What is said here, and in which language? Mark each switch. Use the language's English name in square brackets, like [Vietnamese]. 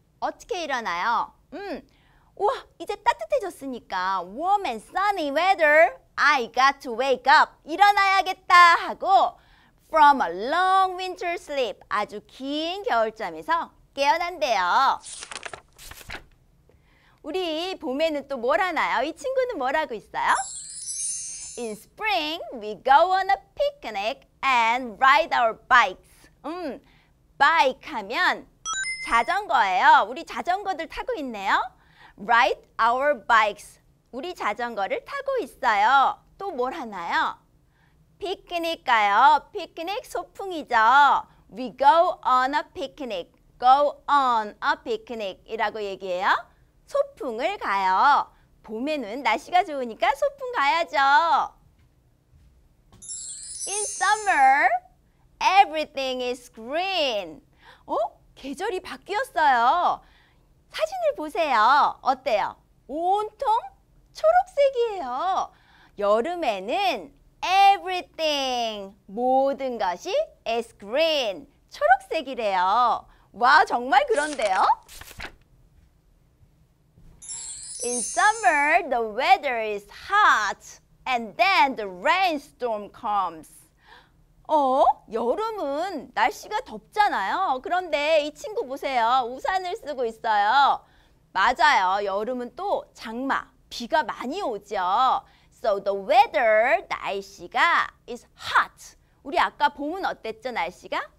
[Korean] 어떻게 일어나요? 우와, 이제 따뜻해졌으니까 [English] warm and sunny weather, I got to wake up, [Korean] 일어나야겠다 하고 [English] from a long winter sleep, [Korean] 아주 긴 겨울잠에서 깨어난대요. 우리 봄에는 또 뭘 하나요? 이 친구는 뭘 하고 있어요? [English] In spring, we go on a picnic and ride our bikes. [Korean] Bike 하면 자전거예요. 우리 자전거들 타고 있네요. [English] Ride our bikes. [Korean] 우리 자전거를 타고 있어요. 또 뭘 하나요? 피크닉 가요. 피크닉 소풍이죠. [English] We go on a picnic. Go on a picnic [Korean] 이라고 얘기해요. 소풍을 가요. 봄에는 날씨가 좋으니까 소풍 가야죠. [English] In summer, everything is green. 어? [Korean] 계절이 바뀌었어요. 사진을 보세요. 어때요? 온통 초록색이에요. 여름에는 everything, 모든 것이 is green, 초록색이래요. 와, 정말 그런데요? [English] In summer, the weather is hot and then the rainstorm comes. [Korean] 어? 여름은 날씨가 덥잖아요. 그런데 이 친구 보세요. 우산을 쓰고 있어요. 맞아요. 여름은 또 장마, 비가 많이 오죠. [English] So the weather, 날씨가 is hot. [Korean] 우리 아까 봄은 어땠죠, 날씨가?